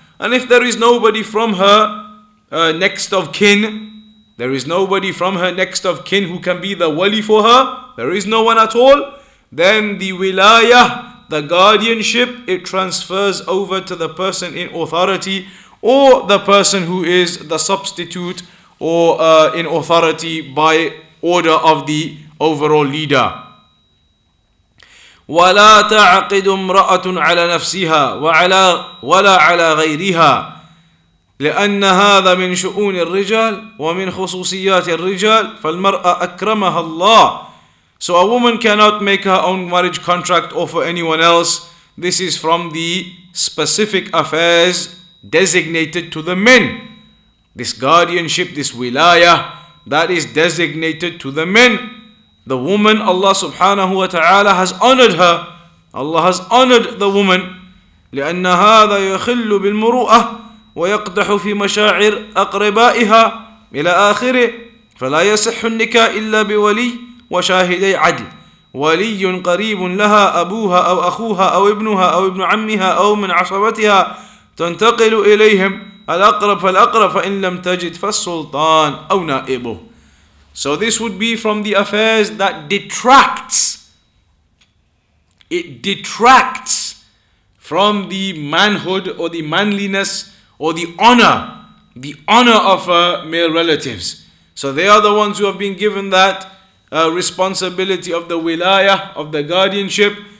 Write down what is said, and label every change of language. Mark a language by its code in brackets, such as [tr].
[en] And if there is nobody from her next of kin who can be the wali for her, there is no one at all, then the wilayah, the guardianship, it transfers over to the person in authority, or the person who is the substitute or in authority by order of the overall leader. [ar] وَلَا تَعْقِدُ امْرَأَةٌ عَلَى نَفْسِهَا وَلَا عَلَى غَيْرِهَا لأن هذا من شؤون الرجال ومن خصوصيات الرجال فالمرأة أكرمها الله. [en] So a woman cannot make her own marriage contract or for anyone else. This is from the specific affairs designated to the men. This guardianship, this wilaya, that is designated to the men. The woman, Allah subhanahu wa ta'ala has honored her. Allah has honored the woman. [ar] لأن هذا يخل بالمروءة ويقدح في مشاعر أقربائها إلى آخره فلا يصح النكاح إلا بولي وشاهدي عدل ولي قريب لها أبوها أو أخوها أو ابنها أو ابن عمها أو من عصبتها تنتقل إليهم الأقرب فالأقرب فإن لم تجد فالسلطان أو نائبه. [en] So this would be from the affairs that detracts from the manhood or the manliness or the honor of her male relatives. So they are the ones who have been given that responsibility of the wilaya, of the guardianship.